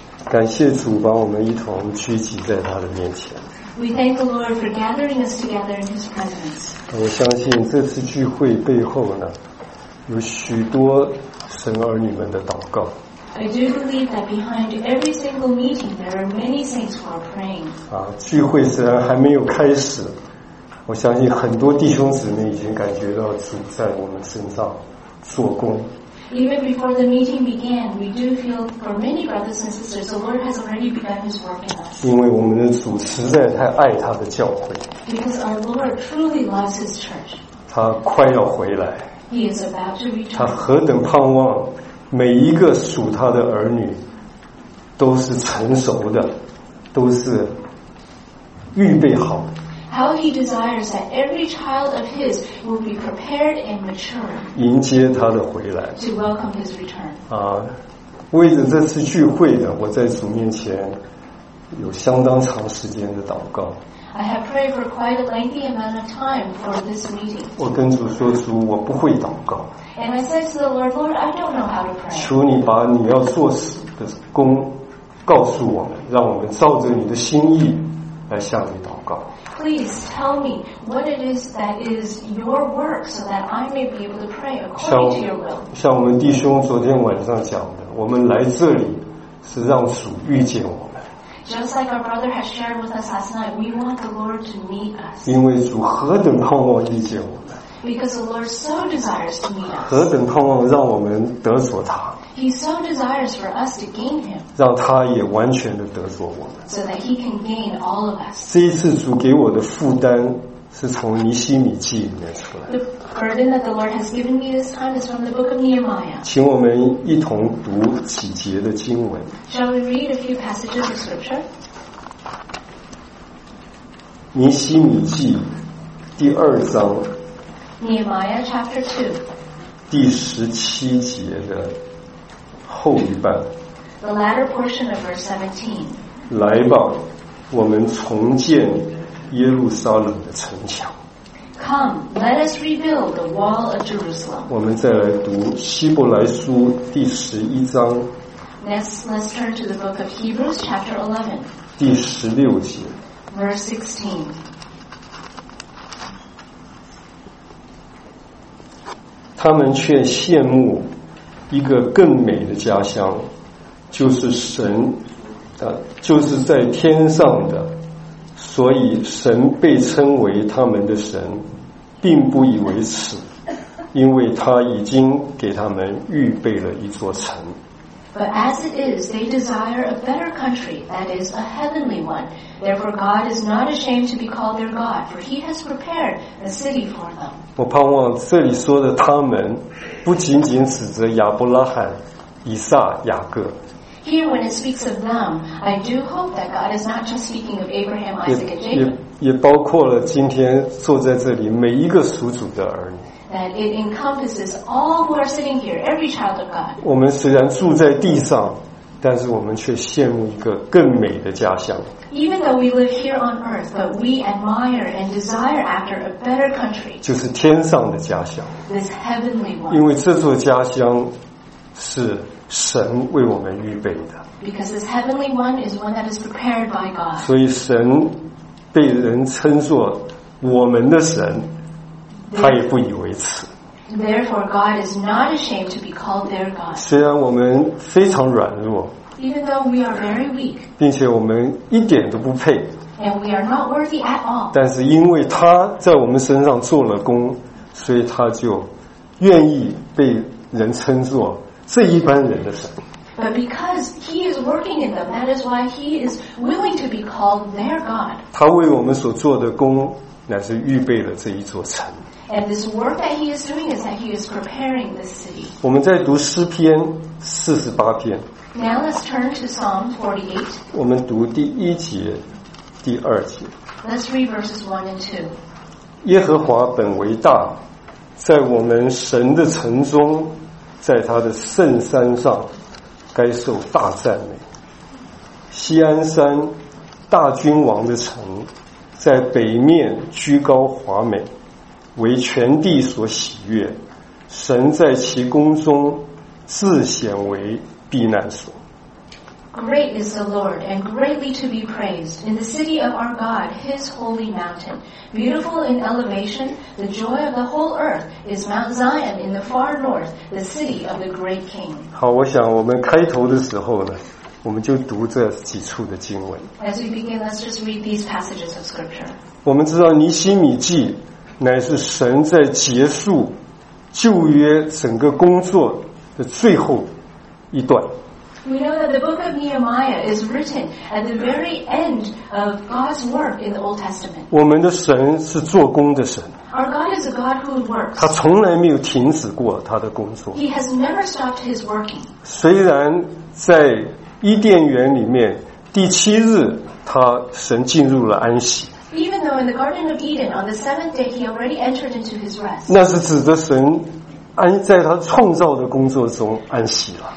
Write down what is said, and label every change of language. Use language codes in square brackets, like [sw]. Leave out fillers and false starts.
[zh] 感谢主把我们一同聚集在他的面前。 [en] We thank the Lord for gathering us together in His presence. [zh] 我相信这次聚会背后呢，有许多神儿女们的祷告。 [en] I do believe that behind every single meeting there are many saints who are praying. [zh] 聚会虽然还没有开始，我相信很多弟兄姊妹已经感觉到主在我们身上做工。 [en] Even before the meeting began, we do feel for many brothers and sisters, the Lord has already begun His work in us. [zh] 因为我们的主实在太爱他的教会。 [en] Because our Lord truly loves His church. [zh] 他快要回来。 [en] He is about to return. [zh] 他何等盼望每一个属他的儿女都是成熟的，都是预备好。 [en] How He desires that every child of His will be prepared and mature. [zh] 迎接他的回来。 [en] To welcome His return. [zh] 为着这次聚会呢，我在主面前有相当长时间的祷告。 [en] I have prayed for quite a lengthy amount of time for this meeting. [zh] 我跟主说，主，我不会祷告。 [en] And I said to the Lord, Lord, I don't know how to pray. [zh] 求你把你要做的工告诉我们，让我们照着你的心意来向你祷告。 [en] Please tell me what it is that is your work so that I may be able to pray according to your will. [zh] 像我们弟兄昨天晚上讲的，我们来这里是让主遇见我们。 [en] Just like our brother has shared with us last night, we want the Lord to meet us. [zh] 因为主何等盼望遇见我们。 [en] Because the Lord so desires to meet us. [zh] 何等盼望让我们得着他。 [en] He so desires for us to gain Him. [zh] 让他也完全的得着我们。 [en] So that He can gain all of us. [zh] 这一次主给我的负担是从尼希米记里面出来。 [en] The burden that the Lord has given me this time is from the book of Nehemiah. [zh] 请我们一同读几节的经文。 [en] Shall we read a few passages of scripture? [zh] 尼希米记第二章。 [en] Nehemiah chapter 2. [zh] 第十七节的后一半。 [en] The latter portion of verse 17. [zh] 来吧，我们重建耶路撒冷的城墙。 [en] Come, let us rebuild the wall of Jerusalem. [zh] 我们再来读希伯来书第十一章。 [en] Next, let's turn to the book of Hebrews chapter 11. [zh] 第十六节。 [en] Verse 16. [zh] 他们却羡慕一个更美的家乡，就是神，就是在天上的，所以神被称为他们的神，并不以为耻，因为他已经给他们预备了一座城。 [en] But as it is, they desire a better country, that is, a heavenly one. Therefore, God is not ashamed to be called their God, for He has prepared a city for them. [zh] 我盼望这里说的他们，不仅仅指着亚伯拉罕、以撒、雅各。 [en] Here, when it speaks of them, I do hope that God is not just speaking of Abraham, Isaac, and Jacob. [zh] 也包括了今天坐在这里每一个属主的儿女。 [en] That it encompasses all who are sitting here, every child of God. [zh] 我们虽然住在地上，但是我们却羡慕一个更美的家乡。 [en] Even though we live here on earth, but we admire and desire after a better country. [zh] 就是天上的家乡。 [en] This heavenly one. [zh] 因为这座家乡是神为我们预备的。 [en] Because this heavenly one is one that is prepared by God. [zh] 所以神被人称作我们的神。他也不以为耻。 [en] Therefore, God is not ashamed to be called their God. [zh] 虽然我们非常软弱， [en] even though we are very weak, [zh] 并且我们一点都不配， [en] and we are not worthy at all. [zh] 但是因为他在我们身上做了工，所以他就愿意被人称作这一般人的神。 [en] But because He is working in them, that is why He is willing to be called their God. [zh] 他为我们所做的工，乃是预备了这一座城。 [en] And this work that He is doing is that He is preparing this city. [zh] 我们在读诗篇四十八篇。 [en] Now let's turn to Psalm 48. [zh] 我们读第一节、第二节。 [en] Let's read verses 1 and 2. [zh] 耶和华本为大，在我们神的城中，在他的圣山上，该受大赞美。锡安山，大君王的城，在北面居高华美，为全地所喜悦，神在其宫中自显为避难所。 [en] Great is the Lord, and greatly to be praised, in the city of our God, His holy mountain. Beautiful in elevation, the joy of the whole earth, is Mount Zion in the far north, the city of the great king. [zh] 好，我想我们开头的时候呢，我们就读这几处的经文。 [en] As we begin, let's just read these passages of scripture. [zh] 我们知道尼希米记乃是神在结束旧约整个工作的最后一段。 [en] We know that the book of Nehemiah is written at the very end of God's work in the Old Testament. [zh] 我们的神是做工的神。 [en] Our God is a God who works. [zh] 他从来没有停止过他的工作。 [en] He has never stopped his working. [zh] 虽然在伊甸园里面，第七日他神进入了安息。 [en] Even though in the Garden of Eden, on the seventh day, he already entered into his rest. [zh] 那是指着神安在他创造的工作中安息了。